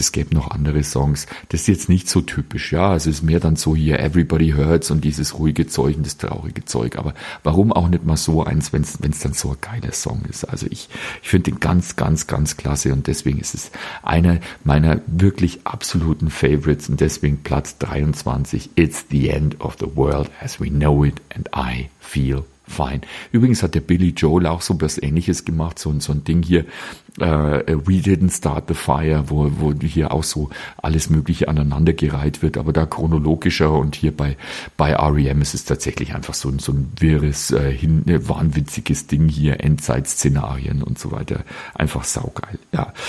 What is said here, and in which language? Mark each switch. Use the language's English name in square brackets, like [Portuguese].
[German] Es gäbe noch andere Songs. Das ist jetzt nicht so typisch, ja. Es ist mehr dann so hier Everybody Hurts und dieses ruhige Zeug und das traurige Zeug. Aber warum auch nicht mal so eins, wenn's dann so ein geiler Song ist? Also ich finde den ganz, ganz, ganz klasse und deswegen ist es einer meiner wirklich absoluten Favorites und deswegen Platz 23. [English] It's the end of the world as we know it and I feel fine. [German] Übrigens hat der Billy Joel auch so was Ähnliches gemacht, so ein Ding hier, We Didn't Start the Fire, wo hier auch so alles Mögliche aneinandergereiht wird, aber da chronologischer und hier bei R.E.M. ist es tatsächlich einfach so ein wirres, wahnwitziges Ding hier, Endzeit-Szenarien und so weiter, einfach saugeil. Ja.